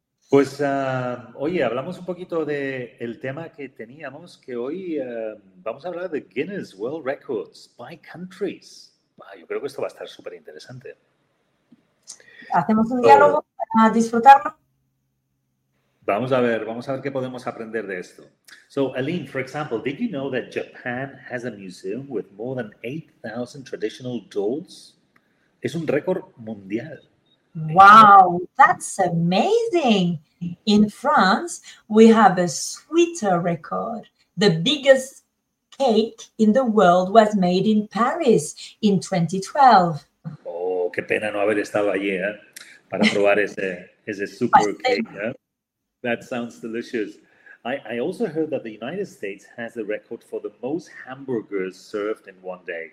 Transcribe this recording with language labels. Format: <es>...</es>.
<es>Pues, oye, hablamos un poquito del tema que teníamos, que hoy vamos a hablar de Guinness World Records by Countries. Bah, yo creo que esto va a estar súper interesante. ¿Hacemos un diálogo para disfrutarlo? Vamos a ver qué podemos aprender de esto.</es> <en>So, Aline, for example, did you know that Japan has a museum with more than 8,000 traditional dolls?</en> <es>Es un récord mundial.</es> <en>Wow, that's amazing. In France, we have a sweeter record. The biggest cake in the world was made in Paris in 2012.</en> <es>Oh, qué pena no haber estado allí, ¿eh? Para probar ese super cake, ¿eh?</es> <en>That sounds delicious. I also heard that the United States has the record for the most hamburgers served in one day.</en>